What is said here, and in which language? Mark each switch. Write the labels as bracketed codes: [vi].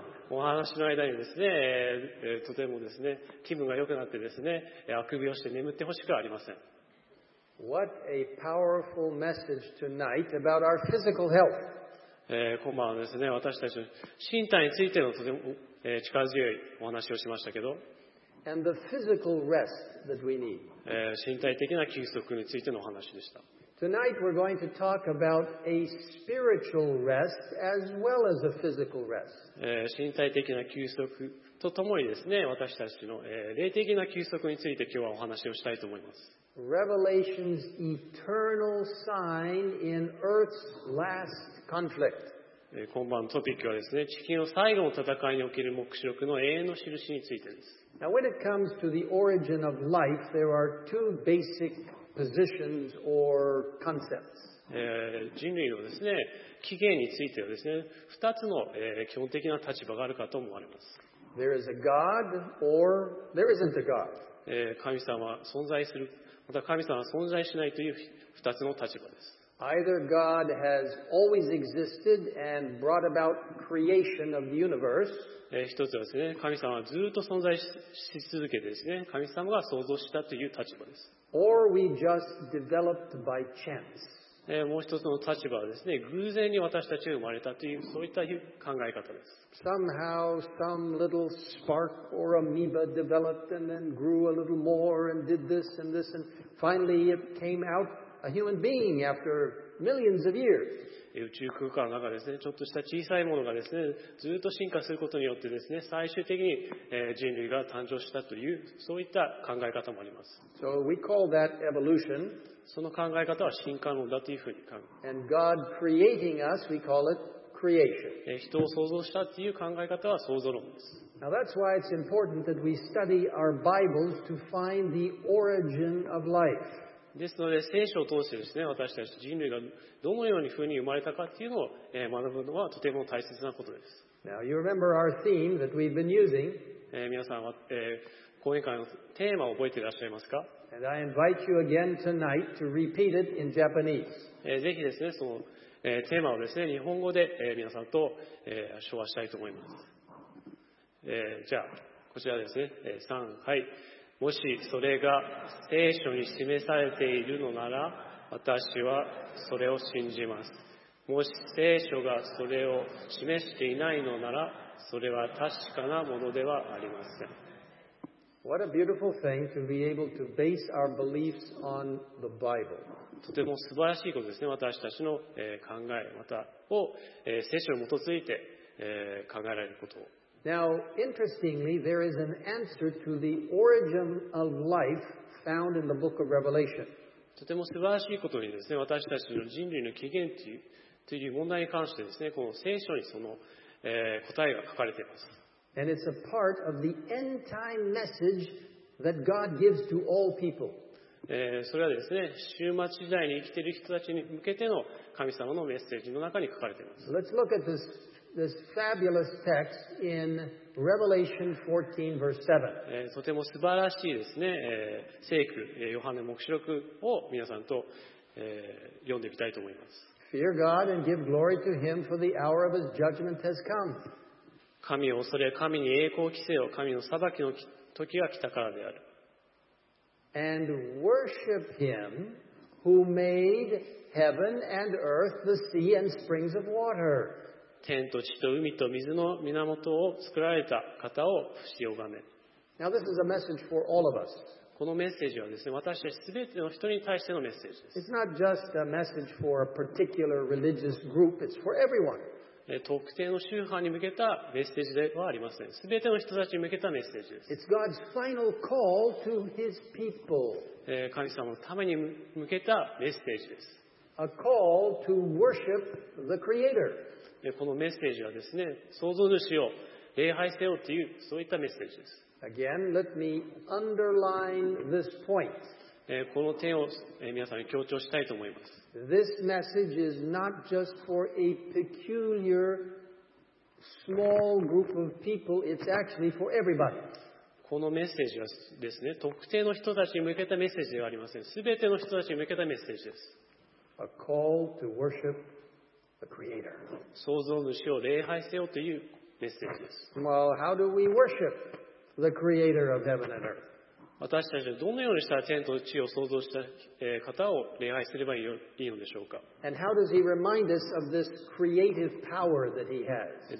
[ja] お話の間にですね、とてもですね、気分が良くなってですね、あくびをして眠ってほしくありません。 [en] What a powerful message tonight about our physical health. [ja] 今晩はですね、私たちの身体についてのとても、力強いお話をしましたけど、 [en] And the physical rest that we need. [ja] 身体的な休息についてのお話でした。 [en] Tonight we're going to talk about a spiritual rest as well as a physical rest. [ja] 身体的な休息とともにですね、私たちの霊的な休息について今日はお話をしたいと思います。 [en] Revelation's eternal sign in Earth's last conflict. [ja] 今晩のトピックはですね、地球の最後の戦いにおける黙示録の永遠の印についてです。 [en] Now when it comes to the origin of life, there are two basic questions. Positions or concepts. [ja] 人類のですね、起源についてはですね、二つの、基本的な立場があるかと思われます。 [en] There is a God or there isn't a God. [ja] 神様は存在する、また神様は存在しないという二つの立場です。 [en] Either God has always existed and brought about creation of the universe. [ja] 一つはですね、神様はずっと存在し続けてですね、神様が創造したという立場です。 [en] Or we just developed by chance. [ja] もう一つの立場はですね、偶然に私たちが生まれたという、そういった考え方です。 [en] Somehow, some little spark or amoeba developed and then grew a little more and did this and this and finally it came out a human being after millions of years. [ja] 宇宙空間の中ですね、ちょっとした小さいものがですね、ずっと進化することによってですね、最終的に人類が誕生したという、そういった考え方もあります。 [en] So we call that evolution. [ja] その考え方は進化論だというふうに考えます。 [en] And God creating us, we call it creation. [ja] 人を創造したという考え方は創造論です。 [en] Now that's why it's important that we study our Bibles to find the origin of life. [ja] ですので、聖書を通してですね、私たち人類がどのようにふうに生まれたかっていうのを学ぶのはとても大切なことです。 [en] Now, you remember our theme that we've been using. [ja] 皆さんは、講演会のテーマを覚えていらっしゃいますか? [en] And I invite you again tonight to repeat it in Japanese. [ja] ぜひですね、その、テーマをですね、日本語で、皆さんと、唱和したいと思います。じゃあ、こちらですね、3、はい。もしそれが聖書に示されているのなら、私はそれを信じます。もし聖書がそれを示していないのなら、それは確かなものではありません。 [en] What a beautiful thing to be able to base our beliefs on the Bible. [ja] とても素晴らしいことですね。私たちの考え、またを聖書に基づいて考えられることを。 [en] Now, interestingly, there is an answer to the origin of life found in the book of Revelation. [ja] とても素晴らしいことにですね、私たちの人類の起源という問題に関してですね、この聖書にその、答えが書かれています。 [en] And it's a part of the end time message that God gives to all people. [ja] それはですね、終末時代に生きている人たちに向けての神様のメッセージの中に書かれています。 [en] Let's look at this this fabulous text in Revelation 14, verse 7. [ja] とても素晴らしいですね、聖句、ヨハネ黙示録を皆さんと、読んでみたいと思います。 [en] Fear God and give glory to Him, for the hour of His judgment has come. [ja] 神を恐れ、神に栄光を期せよ、神の裁きの時が来たからである。 [en] And worship Him who made heaven and earth, the sea and springs of water. [ja] 天と地と海と水の源を作られた方を伏し拝め。 [en] Now, this is a message for all of us. [ja] このメッセージはですね、私たち全ての人に対してのメッセージです。 [en] It's not just a message for a particular religious group, it's for everyone. [ja] 特定の宗派に向けたメッセージではありません。全ての人たちに向けたメッセージです。 [en] It's God's final call to His people. [ja] 神様のために向けたメッセージです。 [en] A call to worship the Creator. [ja] このメッセージはですね、創造主を礼拝せよという、そういったメッセージです。 [en] Again, let me underline this point. [ja] この点を皆さんに強調したいと思います。 [en] This message is not just for a peculiar small group of people, it's actually for everybody. [ja] このメッセージはですね、特定の人たちに向けたメッセージではありません。すべての人たちに向けたメッセージです。 [en] A call to worship. The Creator. [ja] 創造主を礼拝せよというメッセージです。 [en] Well, how do we worship the Creator of heaven and earth? [ja] 私たちはどのようにしたら天と地を創造した方を礼拝すればいいのでしょうか。 [en] And how does He remind us of this creative power that He has?